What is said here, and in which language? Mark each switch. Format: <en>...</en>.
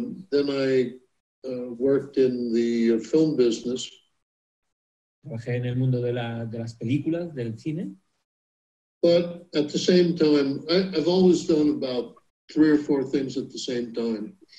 <en>then I worked in the film business.</en> <es>Trabajé en el mundo de las películas, del cine.</es> <en>But at the same time, I've always done about three or four things at the same time.</en>